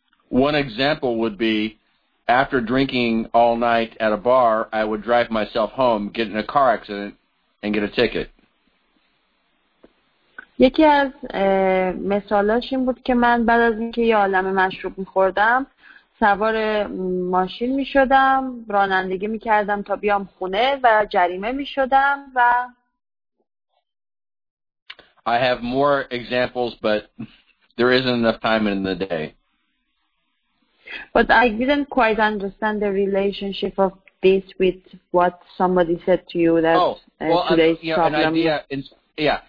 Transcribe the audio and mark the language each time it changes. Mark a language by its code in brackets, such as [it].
[en] One example would be after drinking all night at a bar, I would drive myself home, get in a car accident and get a ticket. [fa] یکی از مثالاش این بود که من بعد از اینکه یه عالمه مشروب می‌خوردم سوار ماشین می شدم، رانندگی می کردم تا بیام خونه و جریمه می شدم و [en] I have more examples, but there isn't enough time in the day. But I didn't quite understand the relationship of this with what somebody said to you that today's problem.